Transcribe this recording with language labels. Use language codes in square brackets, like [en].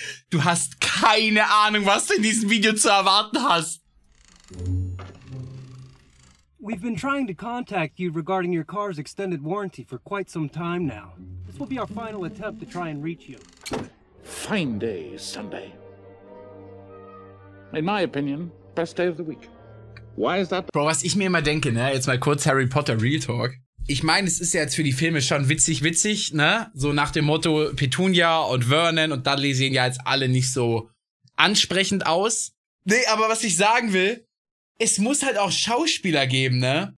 [de] Du hast keine Ahnung, was du in diesem Video zu erwarten hast. [en] We've been trying to contact you regarding your car's extended warranty for quite some time now. This will be our final attempt to try and reach you. Fine day, Sunday. In my opinion, best day of the week. Why is that? [de] Bro, was ich mir immer denke, ne? Jetzt mal kurz Harry Potter Real Talk. Ich meine, es ist ja jetzt für die Filme schon witzig, ne? So nach dem Motto Petunia und Vernon und Dudley sehen ja jetzt alle nicht so ansprechend aus. Nee, aber was ich sagen will, es muss halt auch Schauspieler geben, ne?